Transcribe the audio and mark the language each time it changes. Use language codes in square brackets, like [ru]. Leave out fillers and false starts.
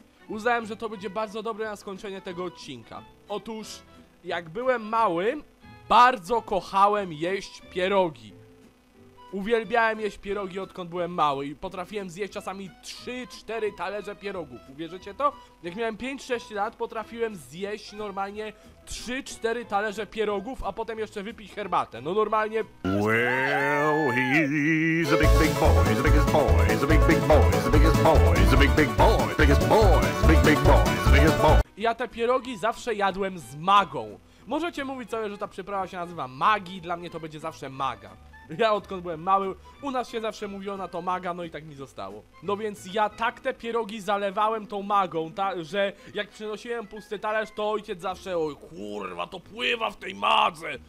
[pl] Uznałem, że to będzie bardzo dobre na skończenie tego odcinka. Otóż, jak byłem mały, bardzo kochałem jeść pierogi. Uwielbiałem jeść pierogi, odkąd byłem mały, i potrafiłem zjeść czasami 3-4 talerze pierogów. Uwierzycie to? Jak miałem 5-6 lat, potrafiłem zjeść normalnie 3-4 talerze pierogów, a potem jeszcze wypić herbatę. No normalnie. [en] Well, he's a big, big boy, he's the biggest boy, he's a big, big boy, he's the biggest boy, he's a big, big boy, biggest boy, he's a big, big boy, he's the biggest boy. [pl] Ja te pierogi zawsze jadłem z magą. Możecie mówić sobie, że ta przyprawa się nazywa magi, dla mnie to będzie zawsze maga. Ja odkąd byłem mały, u nas się zawsze mówiło na to maga, no i tak mi zostało. No więc ja tak te pierogi zalewałem tą magą, że jak przynosiłem pusty talerz, to ojciec zawsze: oj kurwa, to pływa w tej madze.